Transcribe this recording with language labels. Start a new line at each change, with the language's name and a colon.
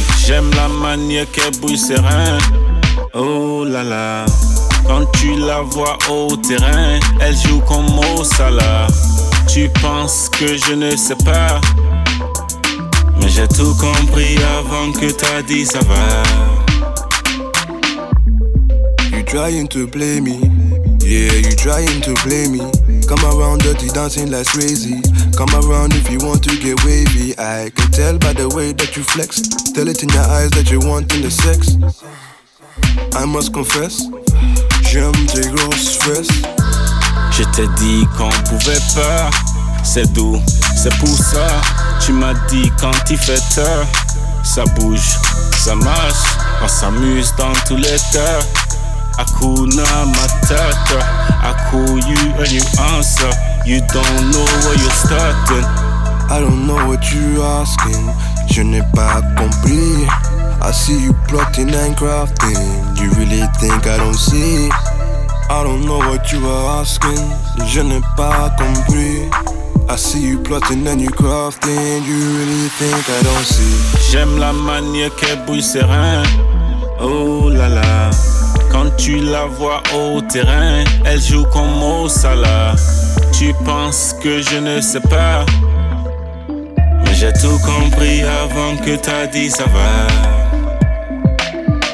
French: J'aime la manière qu'elle bouille ses reins. Oh là là, quand tu la vois au terrain, elle joue comme au Salah. Tu penses que je ne sais pas, mais j'ai tout compris avant que t'as dit ça va.
English: You trying to play me, yeah, you trying to play me. Come around dirty dancing like crazy. Come around if you want to get wavy. I can tell by the way that you flex. Tell it in your eyes that you want in the sex. I must confess,
French: j'aime tes grosses fesses. Je t'ai dit qu'on pouvait pas. C'est doux, c'est pour ça. Tu m'as dit quand il fait tard. Ça bouge, ça marche. On s'amuse dans tous les cas.
Swahili: Hakuna Matata.
English: I call you and you answer. You don't know where you're starting. I don't know what you're asking.
French: Je n'ai pas compris.
English: I see you plotting and crafting. You really think I don't see? I don't know what you are asking.
French: Je n'ai pas compris.
English: I see you plotting and you crafting. You really think I don't see?
French: J'aime la manière qu'elle bouille ses reins. Oh là là, quand tu la vois au terrain, elle joue comme au Salah. Tu penses que je ne sais pas, mais j'ai tout compris avant que t'as dit ça va.